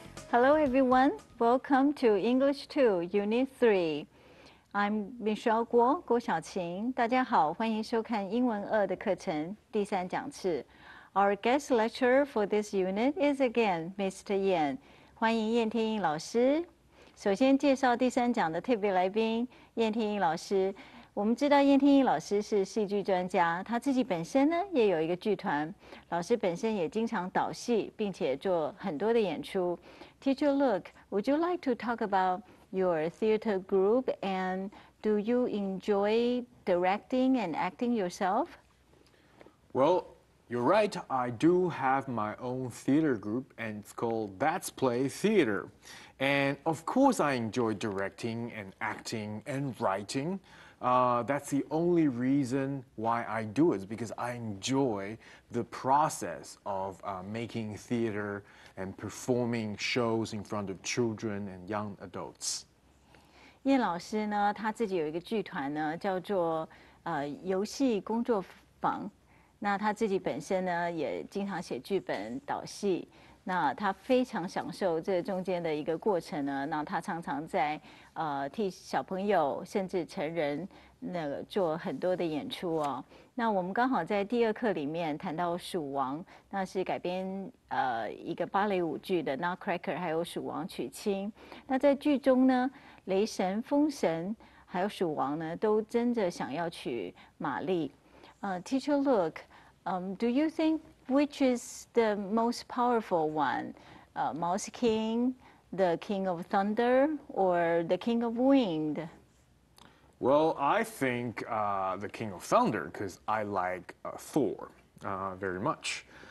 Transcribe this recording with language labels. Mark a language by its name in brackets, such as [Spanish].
[English] Hello, everyone. Welcome to English 2, Unit 3. I'm Michelle Guo, 郭小晴。 [Chinese] 大家好，欢迎收看英文2的课程第三讲次。 [English] Our guest lecturer for this unit is again Mr. [Chinese] Yan. 欢迎燕天英老师。首先介绍第三讲的特别来宾燕天英老师。我们知道燕天英老师是戏剧专家，他自己本身呢也有一个剧团，老师本身也经常导戏，并且做很多的演出。 [English] Teacher, look, would you like to talk about your theater group and do you enjoy directing and acting yourself? Well, you're right. I do have my own theater group and it's called That's Play Theater. And of course I enjoy directing and acting and writing. That's the only reason why I do it, because I enjoy the process of making theater and performing shows in front of children and young adults. [Chinese] 燕老师呢，他自己有一个剧团呢，叫做游戏工作坊。那他自己本身呢，也经常写剧本、导戏。那他非常享受这中间的一个过程呢。那他常常在替小朋友甚至成人那个做很多的演出哦。那我们刚好在第二课里面谈到《鼠王》，那是改编一个芭蕾舞剧的《Nutcracker》，还有《鼠王娶亲》。那在剧中呢，雷神、风神还有鼠王呢，都争着想要娶玛丽。 [English] Teacher, look, do you think which is the most powerful one, Mouse King, the King of Thunder, or the King of Wind? Well, I think the King of Thunder, because I like Thor very much.